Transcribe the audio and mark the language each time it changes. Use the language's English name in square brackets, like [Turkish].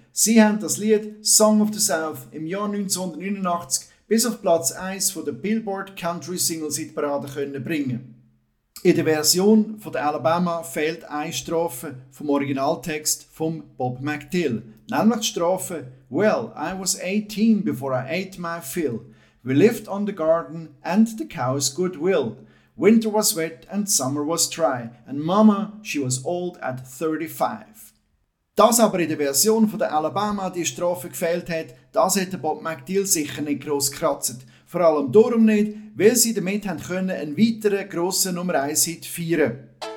[German] Sie haben das Lied «Song of the South» im Jahr 1989 bis auf Platz 1 von der Billboard Country Singles Hitparade können bringen. In der Version von der Alabama fehlt eine Strophe vom Originaltext von Bob McDill, nämlich die Strophe [English] «Well, I was 18 before I ate my fill. We lived on the garden and the cow's goodwill. Winter was wet and summer was dry. And Mama, she was old at 35.» [German] Dass aber in der Version von der Alabama die Strophe gefehlt hat, das hat Bob McDill sicher nicht gross gekratzt. Vor allem darum nicht, weil sie damit können einen weiteren grossen Nummer 1 Hit feiern.